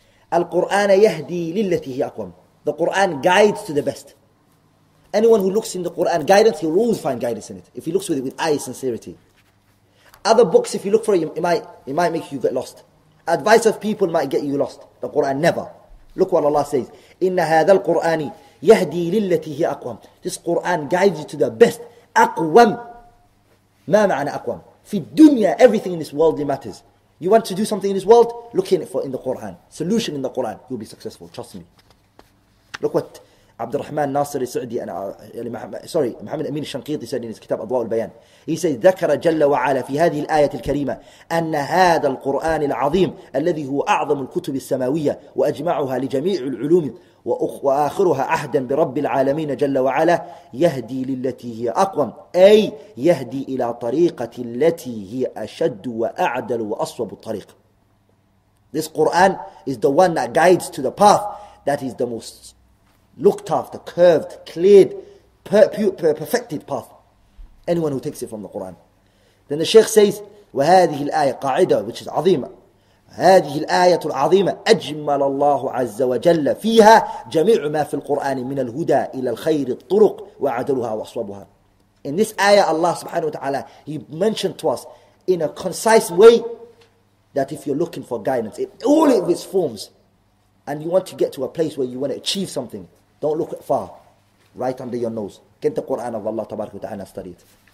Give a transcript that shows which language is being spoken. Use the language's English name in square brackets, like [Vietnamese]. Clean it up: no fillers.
[Arabic] Al-Qur'an yahdi lillati hi aqwam. [English] The Qur'an guides to the best. Anyone who looks in the Qur'an guidance, he will always find guidance in it. If he looks with it with eye sincerity. Other books, if you look for it, it might make you get lost. Advice of people might get you lost. The Qur'an never. Look what Allah says. [Arabic] Inna hadha al-Qur'ani يهدي للتي هي أقوم. [English] This Quran guides you to the best. [Arabic] أقوم. ما معنى أقوم؟ في الدنيا, [English] everything in this world matters. You want to do something in this world? Look in it for in the Quran. Solution in the Quran. You'll be successful. Trust me. Look what عبد الرحمن ناصر السعدي محمد أمين الشنقيطي said in his كتاب أضواء البيان. He says [Arabic] ذكر جل وعلا في هذه الآية الكريمة أن هذا القرآن العظيم الذي هو أعظم الكتب السماوية وأجمعها لجميع العلوم وآخرها عهدا برب العالمين جل وعلا يهدي للتي هي أقوى, أي يهدي إلى طريقة التي هي أشد وأعدل وأصوب الطريق. [English] This Quran is the one that guides to the path that is the most looked after, curved, cleared, perfected path. Anyone who takes it from the Quran. Then the Shaykh says [Arabic] وهذه الآية قاعدة, [English] which is [Arabic] عظيمة. هذه الآية العظيمة أجمل الله عز وجل فيها جميع ما في القرآن من الهدى إلى الخير الطرق وعدلها وأصوبها. [English] In this ayah, Allah subhanahu wa ta'ala, he mentioned to us in a concise way that if you're looking for guidance in all of its forms and you want to get to a place where you want to achieve something, don't look far, right under your nose. Get the Qur'an of Allah tabarak wa ta'ala, study it.